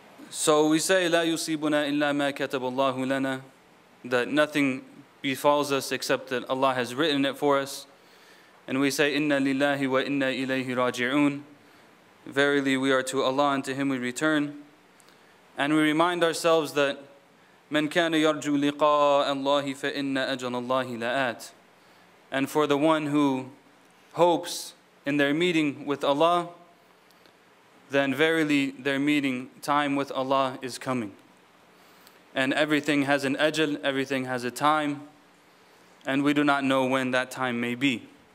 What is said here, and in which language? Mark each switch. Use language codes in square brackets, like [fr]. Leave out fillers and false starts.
[en] So we say, [ar] لا يصيبنا إلا ما كتب الله لنا, [en] that nothing befalls us except that Allah has written it for us. And we say, [ar] Inna lillahi wa inna ilayhi raji'un. [en] Verily, we are to Allah and to Him we return. And we remind ourselves that [ar] من كان يرجو لقاء الله فإن أجل الله لآت. [en] And for the one who hopes in their meeting with Allah, then verily their meeting time with Allah is coming. And everything has an ajal, everything has a time, and we do not know when that time may be.